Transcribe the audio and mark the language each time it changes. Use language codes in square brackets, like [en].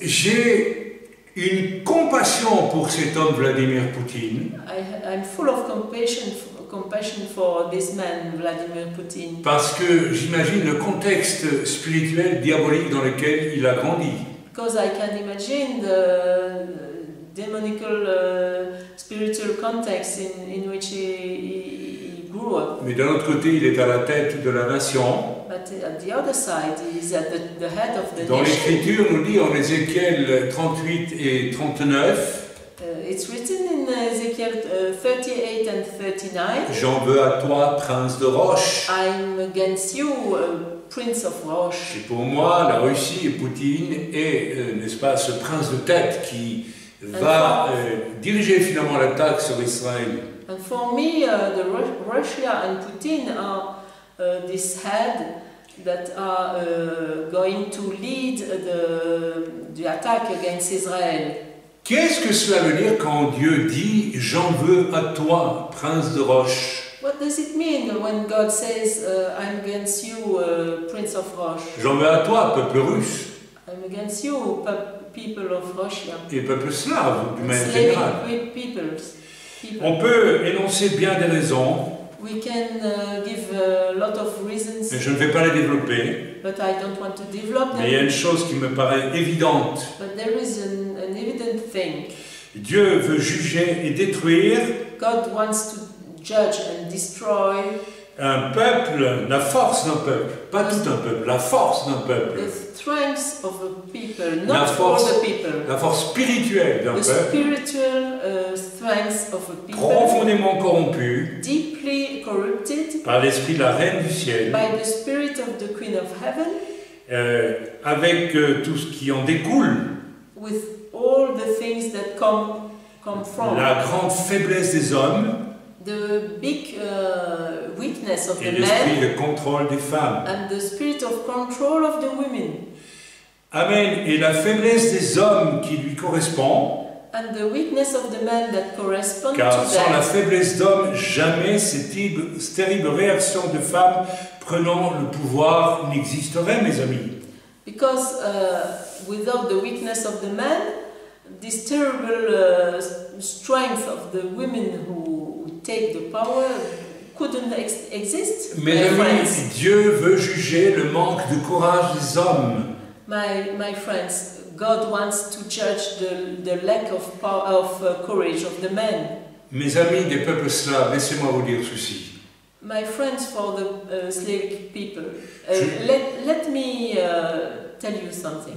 [fr] J'ai une compassion pour cet homme Vladimir Poutine. [en] I'm full of compassion for this man Vladimir Poutine. [fr] Parce que j'imagine le contexte spirituel diabolique dans lequel il a grandi. [en] Because I can imagine the demonical spiritual context in which he grew up. [fr] Mais d'un autre côté, il est à la tête de la nation. [en] But at the other side, he is at the head of the [fr] dans [en] nation. [fr] Dans l'Écriture, nous dit en Ézéchiel 38 et 39. [en] It's written in Ezekiel 38 and 39. [fr] J'en veux à toi, prince de roche. [en] I'm against you, prince of roche. [fr] Et pour moi, la Russie et Poutine est, n'est-ce pas, ce prince de tête qui va diriger finalement l'attaque sur Israël. [en] And for me, the Russia and Putin are this head that are going to lead the attack against Israel. [fr] Qu'est-ce que cela veut dire quand Dieu dit « J'en veux à toi, prince de roche » ? [en] What does it mean when God says « I'm against you, prince of roche » ? [fr] J'en veux à toi, peuple russe. [en] I'm against you, people of Russia. [fr] Et peuple slave, du même général. [en] Peoples. [fr] On peut énoncer bien des raisons. [en] We can give a lot of reasons. [fr] Mais je ne vais pas les développer. [en] But I don't want to develop them. [fr] Mais il y a une chose qui me paraît évidente. [en] But there is an evident thing. [fr] Dieu veut juger et détruire. [en] God wants to judge and destroy. [fr] Un peuple, la force d'un peuple, pas tout un peuple, la force d'un peuple. [en] The strength of a people, not force, all the people. [fr] La force spirituelle d'un [en] the [fr] peuple. [en] The spiritual strength of a people. [fr] Profondément corrompu. [en] Deeply corrupted. [fr] Par l'esprit de la reine du ciel. [en] By the spirit of the queen of heaven. [fr] Avec tout ce qui en découle. [en] With all the things that come from. [fr] La grande faiblesse des hommes. [en] The big weakness of [fr] et [en] the men. [fr] Et l'esprit de contrôle des femmes. [en] And the spirit of control of the women. Amen. [fr] Et la faiblesse des hommes qui lui correspond. [en] And the weakness of the men that correspond [fr] car [en] to [fr] sans [en] that. [fr] La faiblesse d'homme, jamais cette terrible réaction de femme prenant le pouvoir n'existerait, mes amis. [en] Because without the weakness of the men, this terrible strength of the women who take the power couldn't exist. [fr] Mes amis, Dieu veut juger le manque de courage des hommes. [en] My friends, God wants to judge the lack of power, of courage of the men. [fr] Mes amis des peuples slaves, laissez-moi vous dire ceci. [en] My friends for the slave people, let me tell you something.